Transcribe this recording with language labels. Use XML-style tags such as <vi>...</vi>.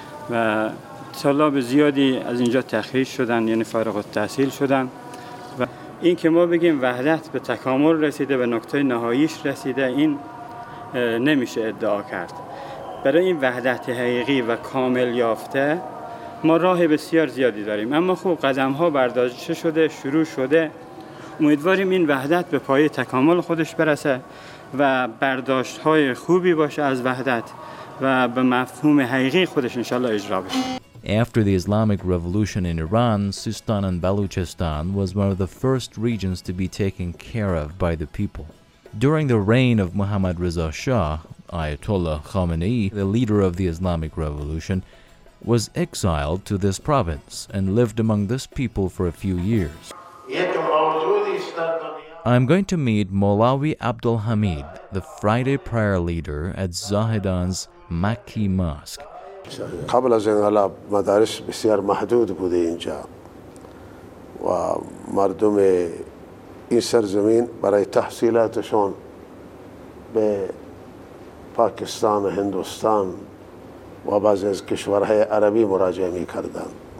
<fa>و طلاب زیادی از اینجا تخریج شدن یعنی فارغ التحصیل شدن و این که ما بگیم وحدت به تکامل رسیده به نقطه نهاییش رسیده این نمیشه ادعا کرد برای این وحدت حقیقی و کامل یافته ما راه بسیار زیادی داریم، اما خوب قدم ها برداشته شده، شروع شده. امیدواریم این وحدت به پای تکامل خودش برسه و برداشت های خوبی باشه از وحدت و به مفهوم حقیقی خودش انشالله اجرا بشه.</fa> <en>After the Islamic revolution in Iran, Sistan and Balochistan was one of the first regions to be taken care of by the people. During the reign of Mohammad Reza Shah, Ayatollah Khamenei, the leader of the Islamic revolution, was exiled to this province and lived among this people for a few years. I'm going to meet Molawi Abdul Hamid, the Friday prayer leader at Zahedan's Makki Mosque.</en> <fa>قبل از انقلاب مدارس بسیار محدود بوده اینجا و مردم این سرزمین برای تحصیلاتشون به پاکستان و هندوستان و بعضی از کشورهای عربی مراجعه می کردن.</fa>